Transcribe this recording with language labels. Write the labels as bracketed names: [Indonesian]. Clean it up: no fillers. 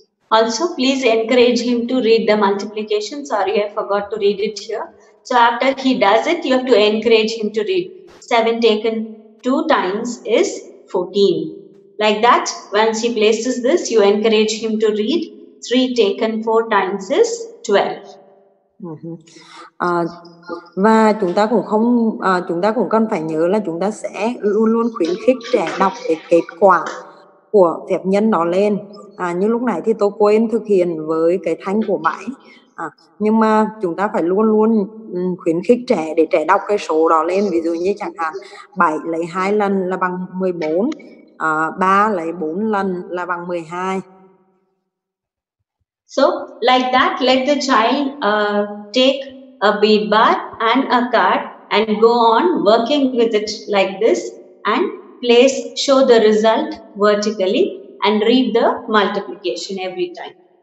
[English] Also please encourage him to read the multiplication. Sorry, I forgot to read it here. So after he does it, you have to encourage him to read. 7 taken 2 times is 14. Like that, once he places this, you encourage him to read. 3 taken 4 times is 12. [Vietnamese] Và chúng ta cũng không chúng ta cũng cần phải nhớ là chúng ta sẽ luôn luôn khuyến khích trẻ đọc cái kết quả của phép nhân đó lên. Như lúc nãy thì tôi quên thực hiện với cái thanh của 7. Nhưng mà chúng ta phải luôn luôn khuyến khích trẻ để trẻ đọc cái số đó lên. Ví dụ như chẳng hạn 7 lấy 2 lần là bằng 14, 3 lấy 4 lần là bằng 12. [English] So like that, let the child take a bead bar and a card and go on working with it like this and place, show the result vertically and read the multiplication every time.